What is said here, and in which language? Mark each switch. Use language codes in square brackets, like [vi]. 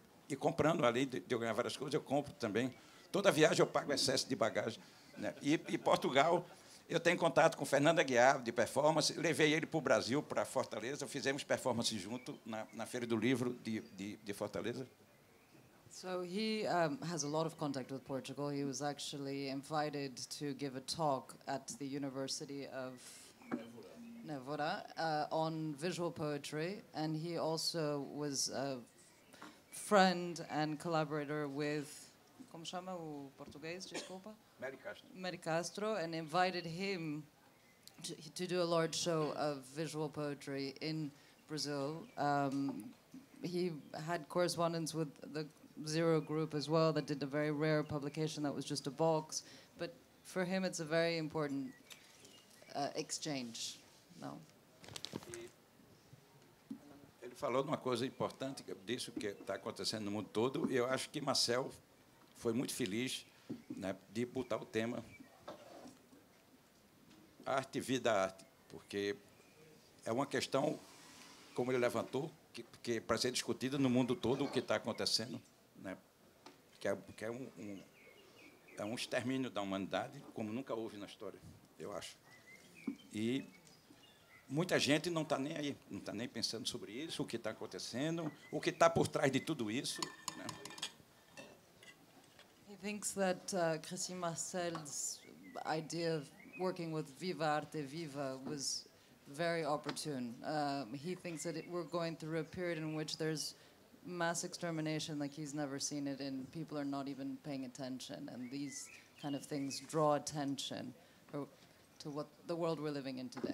[pt] E comprando, além de eu ganhar várias coisas, eu compro também. Toda viagem eu pago excesso de bagagem. Né? E Portugal, eu tenho contato com Fernando Aguiar, de performance, levei ele para o Brasil, para Fortaleza, fizemos performance junto na Feira do Livro de Fortaleza. [en] So he has a lot of contact with Portugal. He was actually invited to give a talk at the University of Évora on visual poetry. And he also was a friend and collaborator with, [pt] como chama o português, desculpa? [en] Mery Castro. Mery Castro, and invited him to do a large show of visual poetry in Brazil. He had correspondence with the Zero group as well, that did a very rare publication that was just a box, but for him it's a very important exchange. No. [pt] Ele falou de uma coisa importante disso que está acontecendo no mundo todo, e eu acho que Marcel foi muito feliz, né, de botar o tema arte, vida, arte, porque é uma questão, como ele levantou, que para ser discutida no mundo todo o que está acontecendo. Né? Que é um extermínio da humanidade como nunca houve na história, eu acho. E muita gente não está nem aí, não está nem pensando sobre isso, o que está acontecendo, o que está por trás de tudo isso. Né? [en] He thinks that Christine Marcel's idea of working with Viva Arte Viva was very opportune. He thinks that we're going through a period in which there's mass extermination like he's never seen it, and people are not even paying attention, and these kind of things draw attention to what the world we're living in today.